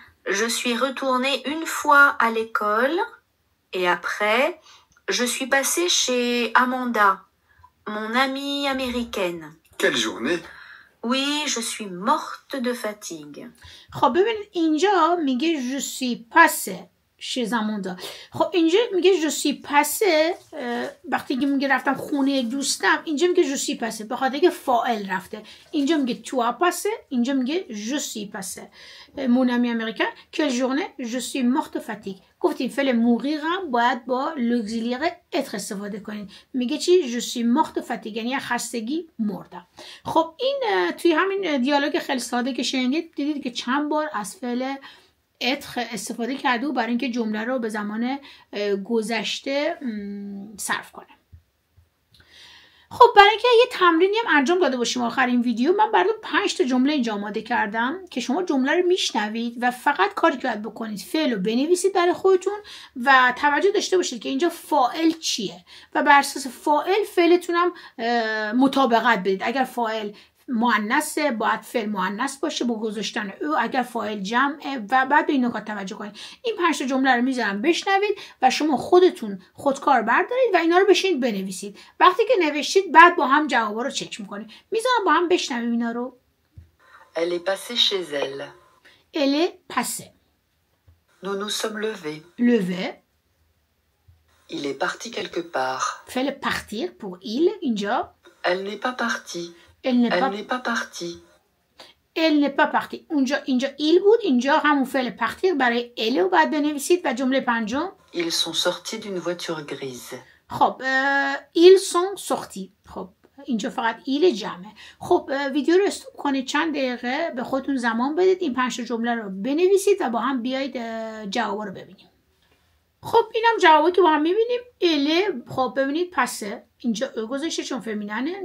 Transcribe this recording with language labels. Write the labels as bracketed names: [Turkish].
[French] Je suis retournée une fois à l'école et après je suis passée chez Amanda, mon amie américaine. Quelle journée? Oui, je suis morte de fatigue. [Persian] خب ببین اینجا میگه [French] je suis passée chez Amanda. [Persian] خب اینجا میگه [French] je suis passée، [Persian] وقتی که میگه رفتم خونه دوستم، اینجا میگه je suis passée به خاطر اینکه فاعل رفته. اینجا میگه [French] tu as passé، [Persian] اینجا میگه [French] je suis passée. Mon amie américaine, quelle journée? Je suis morte de fatigue. [Persian] گفتیم فعل موریر هم باید با لوگزیلیر اتر استفاده کنید. میگه چی؟ [French] je suis mort de fatigue، [Persian] یعنی خستگی مردم. خب این توی همین دیالوگ خیلی ساده که شنیدید، دیدید که چند بار از فعل اتر استفاده کرده و برای اینکه جمله رو به زمان گذشته صرف کنه. خب برای اینکه یه تمرینی هم انجام داده باشیم آخرین ویدیو، من براتون 5 تا جمله اینجا آماده کردم که شما جمله رو میشنوید و فقط کاری که باید بکنید فعل رو بنویسید برای خودتون و توجه داشته باشید که اینجا فاعل چیه و بر اساس فاعل فعلتون هم مطابقت بدید. اگر فاعل مؤنثه باید فعل مؤنث باشه با گذاشتن او، اگر فاعل جمعه و بعد به این نکات توجه کنید. این 5 تا جمله رو میذارم بشنوید و شما خودتون خودکار بردارید و اینا رو بشینید بنویسید. وقتی که نوشتید بعد با هم جواب رو چک میکنید. میذارم با هم بشنویم اینا رو. [French] Elle est passée chez elle. Elle est passée. Nous nous sommes levés. Levés. Il est parti quelque part. Fait-le partir pour il, [Persian] اینجا. [French] Elle n'est pas partie. Elle n'est pas partie. [Persian] اونجا اینجا il بود. اینجا همون فعل partir برای elle رو باید بنویسید و جمله پنجم. [French] Ils sont sortis d'une voiture grise. خب ils sont sortis. [Persian] خب اینجا فقط il جمعه. خب ویدیو رو استوب کنید چند دقیقه به خودتون زمان بدید این پنج جمله رو بنویسید و با هم بیایید جواب رو ببینیم. خب اینم جوابی که با هم می‌بینیم. elle خب ببینید پسه اینجا او گذاشته چون فمیننه.